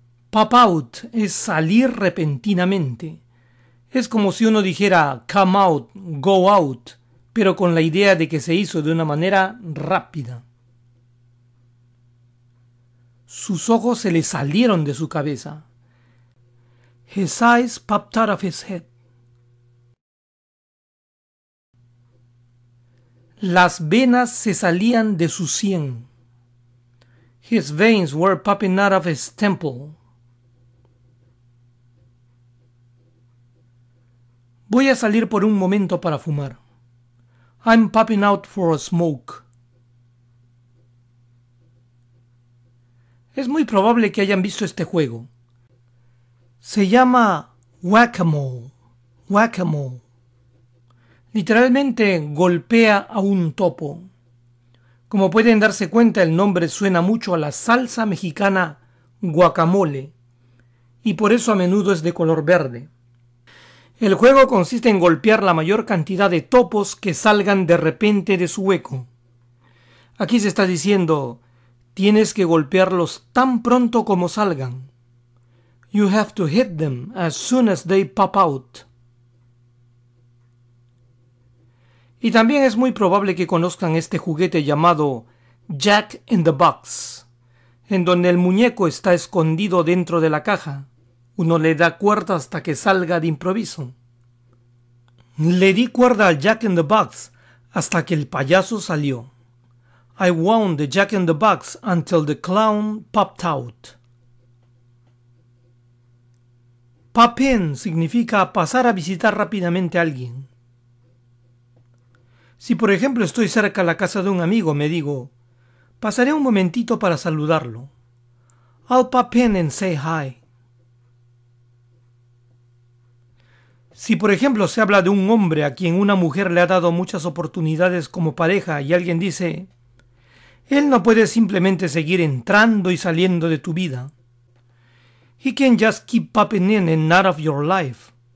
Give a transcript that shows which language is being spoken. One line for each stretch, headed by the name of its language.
Spanish: Pop out es salir repentinamente. Es como si uno dijera
English: come out, go out,
Spanish: pero con la idea de que se hizo de una manera rápida. Sus ojos se le salieron de su cabeza.
English: His eyes popped out of his head.
Spanish: Las venas se salían de su sien.
English: His veins were popping out of his temple.
Spanish: Voy a salir por un momento para fumar.
English: I'm popping out for a smoke.
Spanish: Es muy probable que hayan visto este juego. Se llama Whack-a-Mole. Whack-a-Mole. Literalmente golpea a un topo. Como pueden darse cuenta, el nombre suena mucho a la salsa mexicana guacamole y por eso a menudo es de color verde. El juego consiste en golpear la mayor cantidad de topos que salgan de repente de su hueco. Aquí se está diciendo, tienes que golpearlos tan pronto como salgan.
English: You have to hit them as soon as they pop out.
Spanish: Y también es muy probable que conozcan este juguete llamado Jack in the Box, en donde el muñeco está escondido dentro de la caja. Uno le da cuerda hasta que salga de improviso. Le di cuerda al Jack in the Box hasta que el payaso salió.
English: I wound the Jack in the Box until the clown popped out.
Spanish: Pop in significa pasar a visitar rápidamente a alguien. Si por ejemplo estoy cerca a la casa de un amigo, me digo, pasaré un momentito para saludarlo.
English: I'll pop in and say hi.
Spanish: Si por ejemplo se habla de un hombre a quien una mujer le ha dado muchas oportunidades como pareja y alguien dice, él no puede simplemente seguir entrando y saliendo de tu vida.
English: He can't just keep popping in and out of your life.